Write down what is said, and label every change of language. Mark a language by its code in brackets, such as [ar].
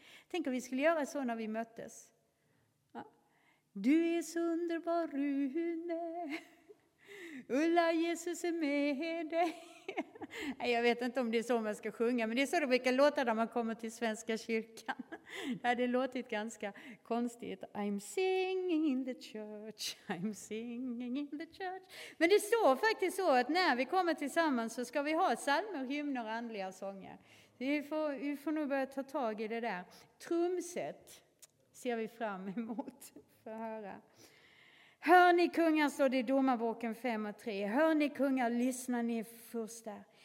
[sv] Tänk om vi skulle göra så när vi möttes. Ja. Du är så underbar, Rune. Ulla, Jesus är med dig. Jag vet inte om det är så man ska sjunga, men det är så det brukar låta när man kommer till Svenska kyrkan. Det hade låtit ganska konstigt. [en] I'm singing in the church, I'm singing in the church. [sv] Men det står faktiskt så att när vi kommer tillsammans så ska vi ha psalmer, hymner och andliga sånger. Vi får nog börja ta tag i det där. Trumset ser vi fram emot för att höra. Hör ni kungar, står det i domarboken 5 och 3. Hör ni kungar, lyssna ni första.